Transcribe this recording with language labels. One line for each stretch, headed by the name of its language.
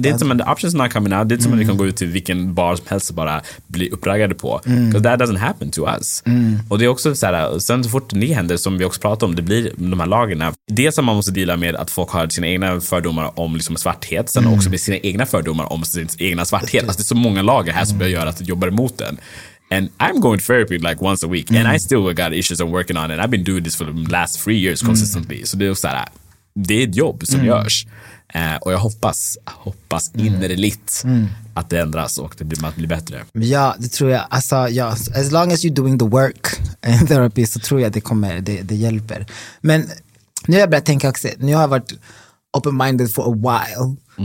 Swedish: Det är som en option som har kommit ut. Det är som att vi kan gå ut till vilken bar som helst och bara bli uppraggade på.
English: Because that doesn't happen to us.
Swedish: Och det är också så här, sen så fort det händer, som vi också pratar om, det blir de här lagerna. Det som man måste dela med att folk har sina egna fördomar om liksom svarthet, sen också med sina egna fördomar om sin egna svarthet. Alltså det är så många lager här som börjar göra att jobba emot den.
English: And I'm going to therapy like once a week. And I still got issues I'm working on. And I've been doing this for the last 3 years consistently.
Swedish: Så det är så här, det är ett jobb som görs. Och jag hoppas innerligt att det ändras och att det blir bättre. Ja, det tror jag. Alltså, ja,
English: as long as you're doing the work in therapy,
Swedish: så tror jag det hjälper. Men nu har jag börjat tänka också. Nu har jag varit open-minded
English: for a while.